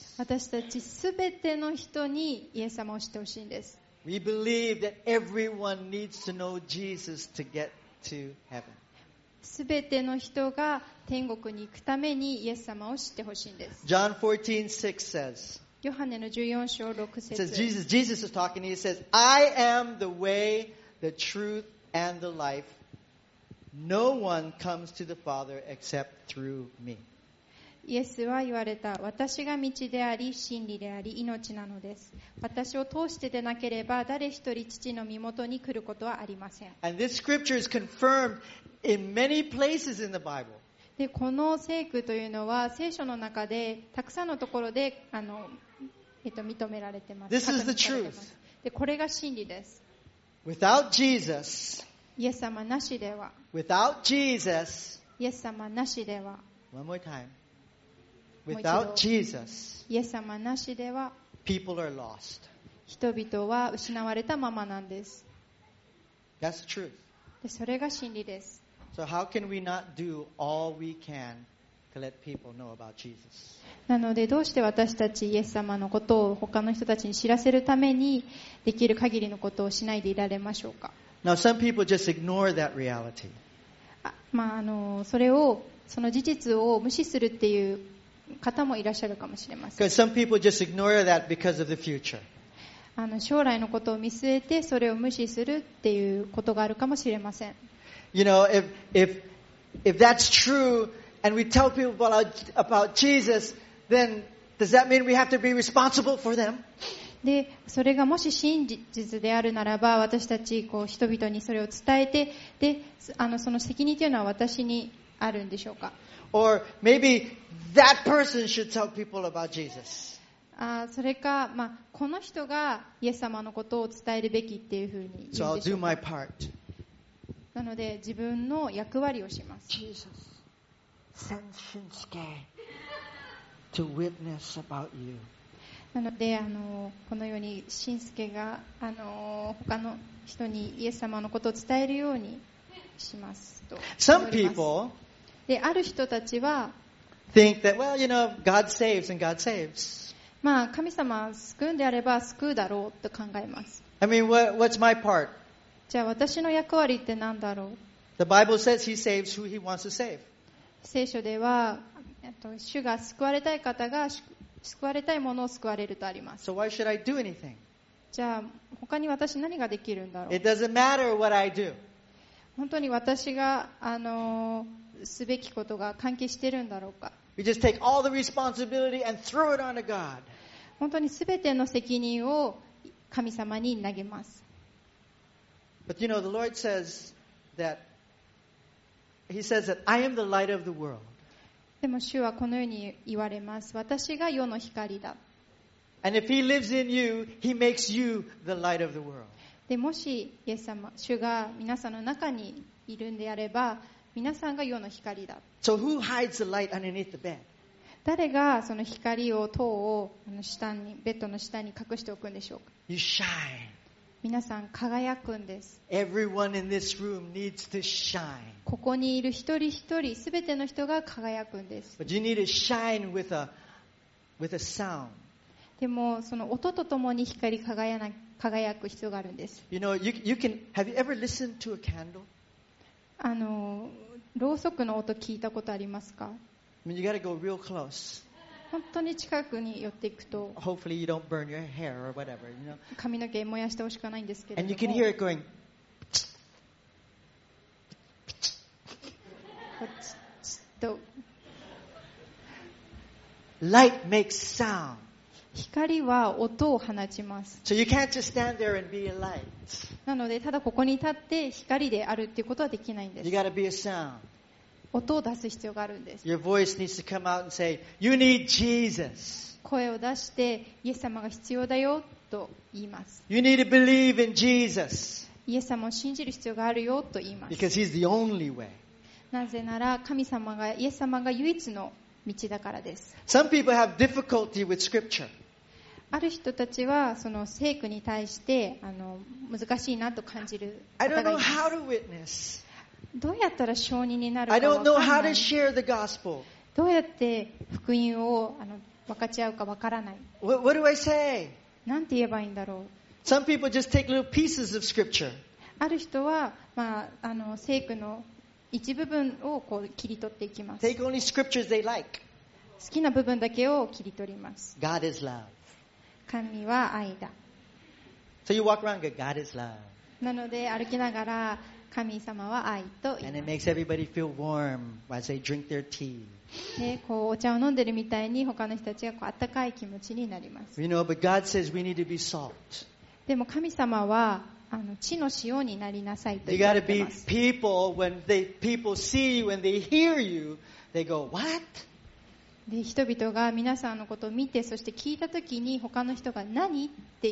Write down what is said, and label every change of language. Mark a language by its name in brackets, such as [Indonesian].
[Japanese] 私たちすべての人にイエス様を知ってほしいんです。 [English] We believe that everyone needs to know Jesus to get to heaven. [Japanese] すべての人が天国に行くためにイエス様を知ってほしいんです。 [English] John 14:6 says, [Japanese] ヨハネの14章6節 [English] says, Jesus is talking, he says, I am the way, the truth, and the life. No one comes to the Father except through me. [Japanese] イエスは言われた。私が道であり真理であり命なのです。私を通してでなければ誰一人父の身元に来ることはありません。 [English] And this scripture is confirmedIn many places in the Bible. [Japanese] でこの聖句というのは聖書の中でたくさんのところで認められてます。 [English] This is the truth. [Japanese] でこれが真理です。 [English] Without Jesus, [Japanese] イエス様なしでは。 [English] Without Jesus, [Japanese] イエス様なしでは。 [English] One more time. Without Jesus, [Japanese] イエス様なしでは。 [English] People are lost. [Japanese] 人々は失われたままなんです。 [English] That's the truth. [Japanese] でそれが真理です。 [English] So how can we not do all we can to let people know about Jesus? [Japanese] なのでどうして私たちイエス様のことを他の人たちに知らせるためにできる限りのことをしないでいられましょうか。 [English] Now some people just ignore that reality. [Japanese] まああのそれをその事実を無視するっていう方もいらっしゃるかもしれません。 [English] Because some people just ignore that because of the future. [Japanese] あの将来のことを見据えてそれを無視するっていうことがあるかもしれません。 [English] You know, if that's true and we tell people about Jesus, then does that mean we have to be responsible for them? [Japanese] で、それがもし真実であるならば、私たちこう人々にそれを伝えて、で、あのその責任というのは私にあるんでしょうか。 [English] Or maybe that person should tell people about Jesus. [Japanese] それか、まあ、この人がイエス様のことを伝えるべきっていうふうに言うでしょうか。なので自分の役割をします。イエス様、先進付と [English] witness about you。 [Japanese] なのであのこのように新助があの他の人にイエス様のことを伝えるようにしますと。 [English] Some people [Japanese] で、ある人たちは [English] think that, well, you know, God saves and God saves. [Japanese] まあ、神様を救うんであれば救うだろうと考えます。 [English] I mean, what's my part? [Japanese] じゃあ私の役割って何だろう。 [English] The Bible says he saves who he wants to save. [Japanese] 聖書では主が救われたい方が救われたいものを救われるとあります。 [English] So why should I do anything? [Japanese] じゃあ他に私何ができるんだろう。 [English] It doesn't matter what I do. [Japanese] 本当に私がすべきことが関係してるんだろうか。 [English] We just take all the responsibility and throw it onto God. [Japanese] 本当にすべての責任を神様に投げます。 [English] But you know, the Lord says that He says that I am the light of the world. [Japanese] でも主はこのように言われます。私が世の光だ。 [English] And if He lives in you, He makes you the light of the world. [Japanese] でもしイエス様、主が皆さんの中にいるんであれば、皆さんが世の光だ。 [English] So who hides the light underneath the bed? [Japanese] 誰がその光を塔をあの下にベッドの下に隠しておくんでしょうか。 [English] You shine. [Japanese] 皆さん輝くんです。 [English] Everyone in this room needs to shine. [Japanese] ここにいる一人一人、すべての人が輝くんです。 [English] But you need to shine with a sound. [Japanese] でもその音とともに光り輝く必要があるんです。 [English] you know, you can, have you ever listened to a candle? [Japanese] あのろうそくの音聞いたことありますか？ [English] I mean, you gotta go real close. [Japanese] 本当に近くに寄っていくと [English] Hopefully you don't burn your hair or whatever, you know? [Japanese] 髪の毛燃やしてほしくないんですけれども [English] And you can hear it going [Japanese] プチッチッと [English] Light makes sound. [Japanese] 光は音を放ちます。 [English] So you can't just stand there and be a light. [Japanese] なのでただここに立って光であるっていうことはできないんです。 [English] You gotta be a sound. [Japanese] 音を出す必要があるんです。 [English] Your voice needs to come out and say, you need Jesus. [Japanese] 声を出してイエス様が必要だよと言います。 [English] You need to believe in Jesus. [Japanese] イエス様を信じる必要があるよと言います。 [English] Because he's the only way. [Japanese] なぜなら神様がイエス様が唯一の道だからです。 [English] Some people have difficulty with scripture. [Japanese] ある人たちはその聖句に対してあの難しいなと感じる方がいます。 [English] I don't know how to witness. [Japanese] どうやったら証人になるか分からない。 [English] I don't know how to share the gospel. [Japanese] どうやって福音をあの分かち合うか分からない。 [English] What do I say? [Japanese] なんて言えばいいんだろう。 [English] Some people just take little pieces of scripture. [Japanese] ある人は、まあ、あの聖句の一部分をこう切り取っていきます。 [English] Take only scriptures they like. [Japanese] 好きな部分だけを切り取ります。 [English] God is love. [Japanese] 神は愛だ。 [English] So you walk around good. God is love. [Japanese] なので歩きながら神様は愛と言います。 [English] And it makes everybody feel warm as they drink their tea. [Japanese] でこうお茶を飲んでるみたいに他の人たちがこう温かい気持ちになります。 [English] You know, but God says we need to be salt. [Japanese] でも神様はあの地の塩になりなさいと言ってます。 [English] You gotta be people when they, people see you, when they hear you, they go, what? [Japanese] で、人々が皆さんのことを見て、そして聞いたときに他の人が何って